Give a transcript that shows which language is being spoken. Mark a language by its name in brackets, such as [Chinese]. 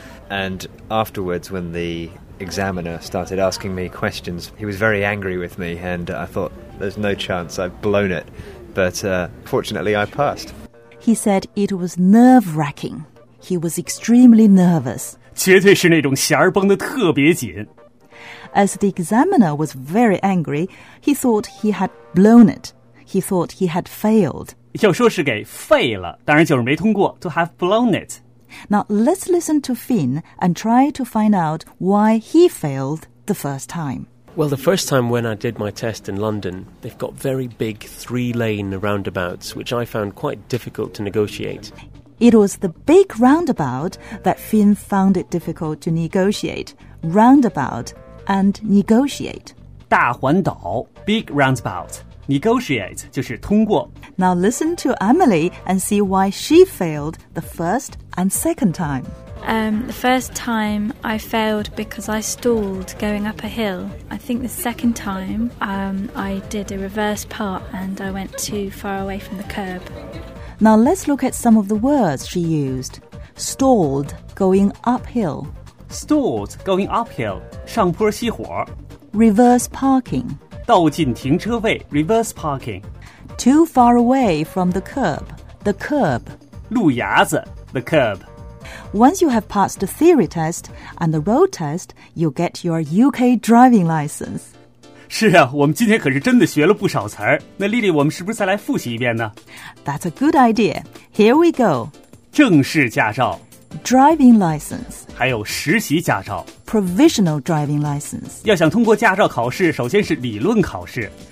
[English] And afterwards, when the examiner started asking me questions, he was very angry with me, and I thought, there's no chance, I've blown it. But fortunately, I passed. He said it was nerve-wracking. He was extremely nervous. [Chinese] 绝对是那种弦绷得特别紧。 [English] As the examiner was very angry, he thought he had blown it. He thought he had failed. [Chinese] 要说是给废了，当然就是没通过, [English] to have blown it. Now let's listen to Finn and try to find out why he failed the first time. Well, the first time when I did my test in London, they've got very big three-lane roundabouts, which I found quite difficult to negotiate. It was the big roundabout that Finn found it difficult to negotiate. Roundabout and negotiate. [Chinese] 大环岛, [English] big roundabout. [Chinese] Negotiate 就是通过. [English] Now listen to Emily and see why she failed the first and second time. The first time I failed because I stalled going up a hill. I think the second time I did a reverse part and I went too far away from the curb. Now let's look at some of the words she used. Stalled going uphill. Stalled going uphill. [Chinese] 上坡熄火. [English] Reverse parking. [Chinese] 倒进停车位, [English] reverse parking. Too far away from the curb, the curb. [Chinese] 路牙子, [English] the curb. Once you have passed the theory test and the road test, you get your UK driving license. [Chinese] 是啊, 我们今天可是真的学了不少词儿。那Lily, 我们是不是再来复习一遍呢? [English] That's a good idea. Here we go. [Chinese] 正式驾照, [English] driving license. [Chinese] 还有实习驾照, [English] provisional driving license. [Chinese] 要想通过驾照考试, 首先是理论考试,